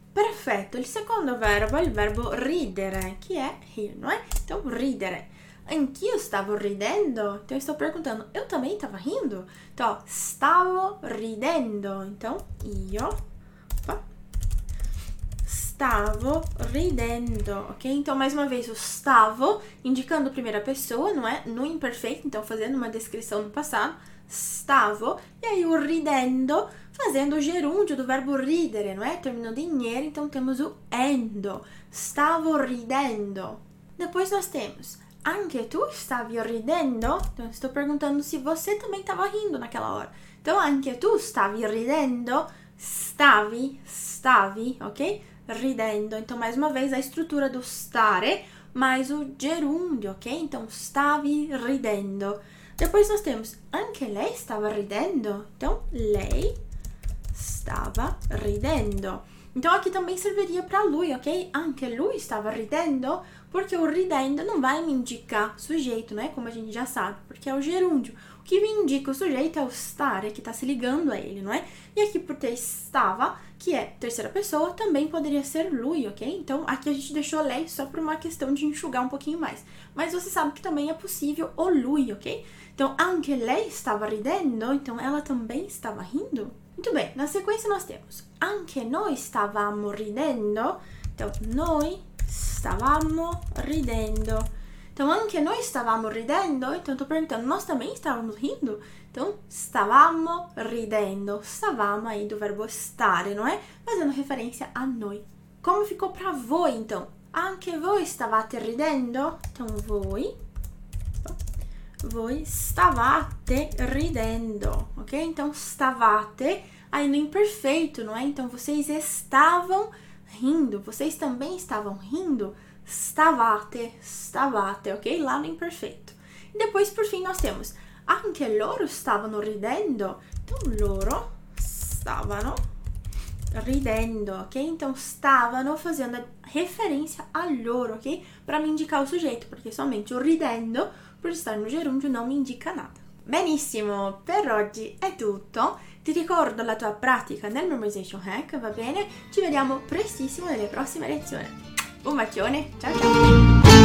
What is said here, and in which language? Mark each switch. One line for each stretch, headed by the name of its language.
Italian: Perfetto, il secondo verbo è il verbo ridere, che è rire, non è?
Portuguese: Então,
Italian: ridere. Anch'io stavo ridendo?
Portuguese: Então, sto perguntando, eu também estava rindo? Então,
Italian: stavo ridendo.
Portuguese: Então, io... Stavo ridendo, ok? Então, mais uma vez, o stavo, indicando a primeira pessoa, não é? No imperfeito, então, fazendo uma descrição do passado. Stavo, e aí o ridendo, fazendo o gerúndio do verbo ridere, não é? Terminando em ere, então temos o endo. Stavo ridendo. Depois nós temos,
Italian: anche tu stavi ridendo?
Portuguese: Então, estou perguntando se você também estava rindo naquela hora.
Italian: Então, anche tu stavi ridendo? Stavi, ok? Ridendo.
Portuguese: Então, mais uma vez, a estrutura do stare mais o gerúndio, ok? Então, stavi ridendo. Depois nós temos,
Italian: anche lei stava ridendo. Então, lei stava ridendo.
Portuguese: Então, aqui também serviria para lui, ok?
Italian: Anche lui stava ridendo,
Portuguese: porque o ridendo não vai me indicar sujeito, né? Como a gente já sabe, porque é o gerúndio. O que me indica o sujeito é o stare, que está se ligando a ele, não é? E aqui, por ter stava, que é terceira pessoa, também poderia ser lui, ok? Então, aqui a gente deixou lei só por uma questão de enxugar um pouquinho mais. Mas você sabe que também é possível o lui, ok? Então,
Italian: anche lei stava ridendo,
Portuguese: então ela também estava rindo. Muito bem, na sequência nós temos
Italian: anche noi stavamo ridendo. Então, noi stavamo ridendo. Então, anche noi stavamo ridendo.
Portuguese: Então, tô perguntando, nós também estávamos rindo? Então,
Italian: stavamo ridendo.
Portuguese: Stavamo aí do verbo stare, não é? Fazendo referência a noi. Como ficou pra voi, então?
Italian: Anche voi stavate ridendo? Então, voi. Voi stavate ridendo, ok?
Portuguese: Então, stavate, aí no imperfeito, não é? Então, vocês estavam rindo, vocês também estavam rindo?
Italian: Stavate, stavate, ok? Lá no imperfeito.
Portuguese: E depois, por fim, nós temos
Italian: anche loro stavano ridendo. Então, loro stavano ridendo, ok?
Portuguese: Então, stavano fazendo referência a loro, ok? Para me indicar o sujeito, porque somente o ridendo, por estar no gerúndio, não me indica nada.
Italian: Benissimo, per oggi è tutto. Ti ricordo la tua pratica nel memorization hack, va bene? Ci vediamo prestissimo nelle prossime lezioni. Un bacione, ciao ciao!